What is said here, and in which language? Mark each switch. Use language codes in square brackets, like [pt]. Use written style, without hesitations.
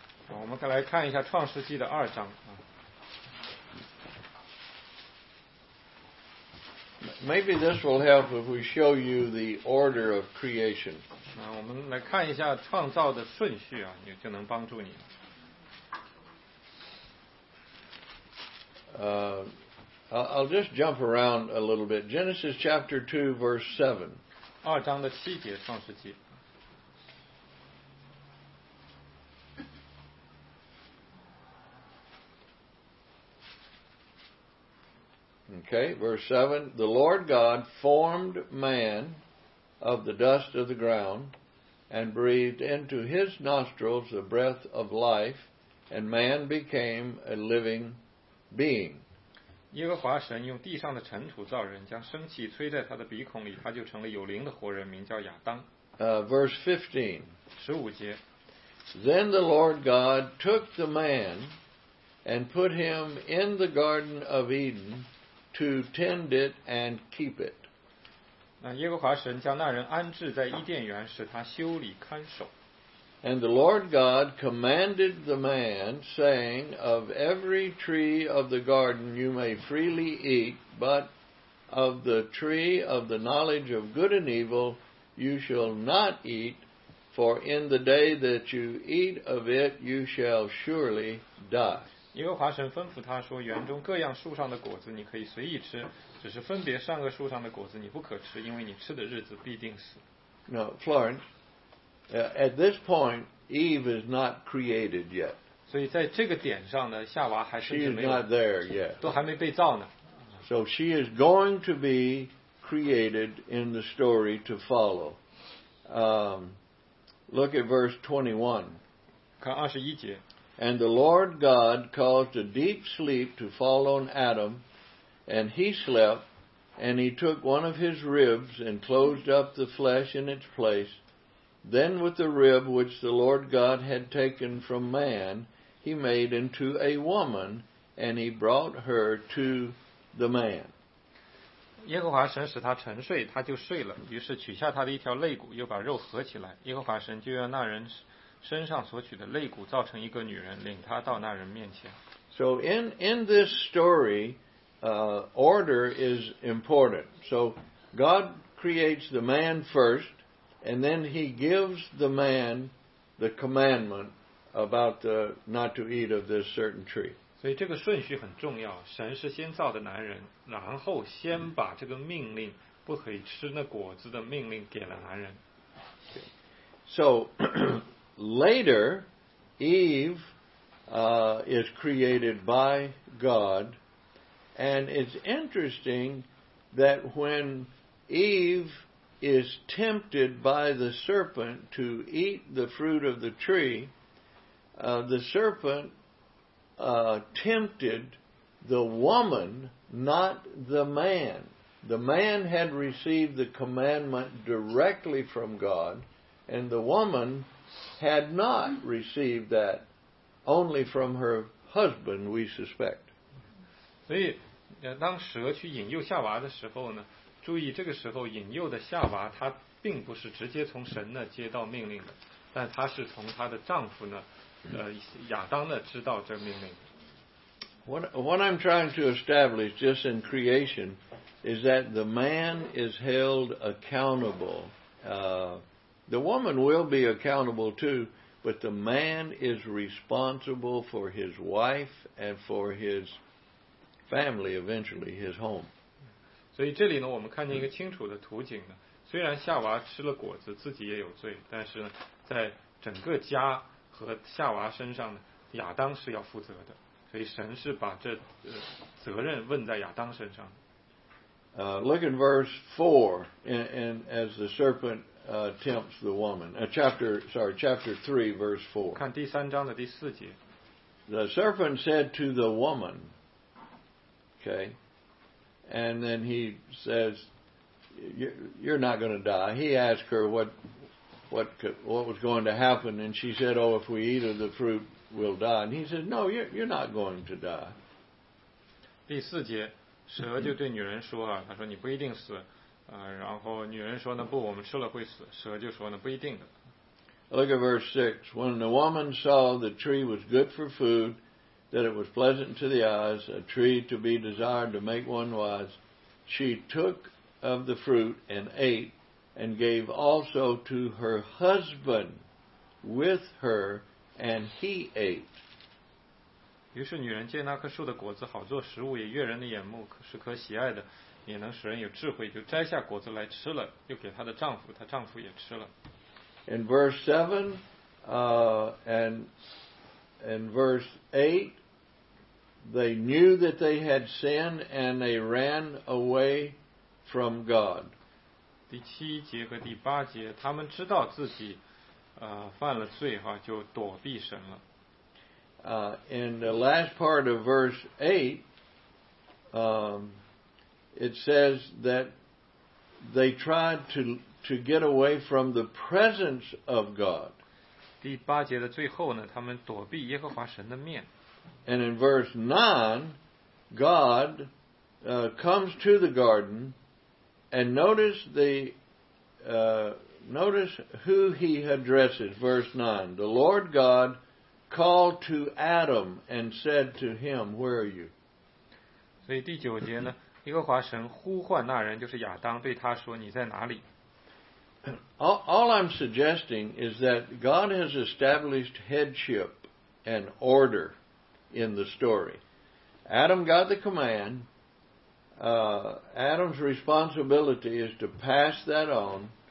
[zh] 我们再来看一下创世纪的二章。 [en] Maybe this will help if we show you the order of creation. [zh] 那我们来看一下创造的顺序啊，也就能帮助你。 [en] I'll just jump around a little bit. Genesis chapter 2, verse 7. [zh] 二章的七节，创世纪。 [en] Okay, verse 7. The Lord God formed man of the dust of the ground and breathed into his nostrils the breath of life, and man became a living being. [zh] 耶和华神用地上的尘土造人，将生气吹在他的鼻孔里，他就成了有灵的活人，名叫亚当。 [en] Verse 15. [zh] 十五节。 [en] Then the Lord God took the man and put him in the Garden of Eden to tend it and keep it. [zh] 耶和华神将那人安置在伊甸园，使他修理看守。 [en] And the Lord God commanded the man, saying, Of every tree of the garden you may freely eat, but of the tree of the knowledge of good and evil you shall not eat, for in the day that you eat of it you shall surely die. [zh] 耶和华神吩咐他说，园中各样树上的果子你可以随意吃，只是分别善恶树上的果子你不可吃，因为你吃的日子必定死。 [en] No, Florence. At this point, Eve is not created yet. [zh] 所以在这个点上呢，夏娃还甚至没有。 [en] She is not there yet. [zh] 都还没被造呢。 [en] So she is going to be created in the story to follow. Look at verse 21. [zh] 看二十一节。 [en] And the Lord God caused a deep sleep to fall on Adam, and he slept, and he took one of his ribs and closed up the flesh in its place. Then with the rib which the Lord God had taken from man, he made into a woman, and he brought her to the man. [zh] 耶和华神使他沉睡，他就睡了，于是取下他的一条肋骨，又把肉合起来。耶和华神就用那人身上所取的肋骨造成一个女人，领他到那人面前。 [en] So in this story, order is important. So God creates the man first. And then he gives the man the commandment about the not to eat of this certain tree. [zh] 所以这个顺序很重要。神是先造的男人，然后先把这个命令，不可以吃那果子的命令给了男人。 [en] So later, Eve, is created by God, and it's interesting that when Eve. Is tempted by the serpent to eat the fruit of the tree, the serpent tempted the woman, not the man. The man had received the commandment directly from God, and the woman had not received that, only from her husband, we suspect. [zh] 所以，当蛇去引诱夏娃的时候呢？注意，这个时候引诱的夏娃，她并不是直接从神那接到命令的，但她是从她的丈夫呢，亚当呢知道这命令。 [en] What I'm trying to establish just in creation is that the man is held accountable. The woman will be accountable too, but the man is responsible for his wife and for his family eventually, his home. [zh] 所以这里呢，我们看见一个清楚的图景呢。虽然夏娃吃了果子，自己也有罪，但是呢，在整个家和夏娃身上呢，亚当是要负责的。所以神是把这责任问在亚当身上。 [en] Look at verse 4, and as the serpent tempts the woman. Chapter 3, verse 4. [zh] 看第三章的第四节。 [en] The serpent said to the woman, okay. And then he says, you're not going to die. He asked her what was going to happen. And she said, oh, if we eat of the fruit, we'll die. And he said, no, you're not going to die. [zh] 第四节，蛇就对女人说啊，他说你不一定死。然后女人说呢，不，我们吃了会死。蛇就说呢，不一定的。 [en] Look at verse 6. When the woman saw the tree was good for food,that it was pleasant to the eyes, a tree to be desired to make one wise, she took of the fruit and ate, and gave also to her husband with her, and he ate. [zh] 于是女人见那棵树的果子好做食物，也悦人的眼目，是可喜爱的，也能使人有智慧，就摘下果子来吃了，又给她的丈夫，她丈夫也吃了。 [en] In verse 7, and verse 8, They knew that they had sinned and they ran away from God. [zh] 第七节和第八节，他们知道自己犯了罪哈，就躲避神了。 [en] In the last part of verse 8, it says that they tried to get away from the presence of God. [zh] 第八节的最后呢，他们躲避耶和华神的面。 [en] And in verse 9, God comes to the garden and notice who he addresses. Verse 9, the Lord God called to Adam and said to him, where are you? [zh] 所以第九节呢，耶和华神呼唤那人，就是亚当，对他说，你在哪里？ [en] All I'm suggesting is that God has established headship and order. In the story, Adam got the command. Adam's responsibility is to pass that on.